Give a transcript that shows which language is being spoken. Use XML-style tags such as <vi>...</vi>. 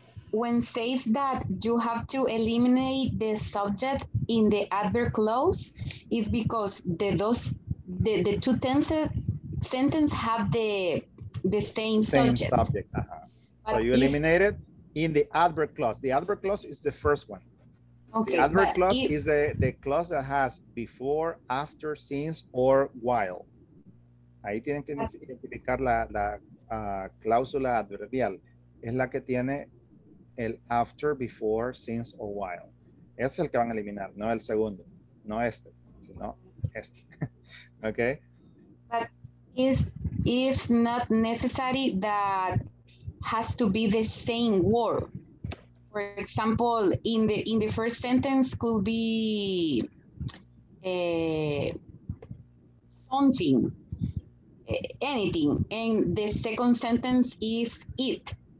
<en>When says that you have to eliminate the subject in the adverb clause, is because the two sentences have the same subject. Subject. Uh-huh. So you eliminate it in the adverb clause. The adverb clause is the first one. Okay. The adverb clause is the clause that has before, after, since, or while.</en> <es>Ahí tienen que identificar la cláusula adverbial. Es la que tiene el after, before, since, or while. Es el que van a eliminar, no el segundo, no este, sino este.</es> <en>Okay. But if not necessary, that has to be the same word. For example, in the first sentence could be something, anything, and the second sentence is it.</en>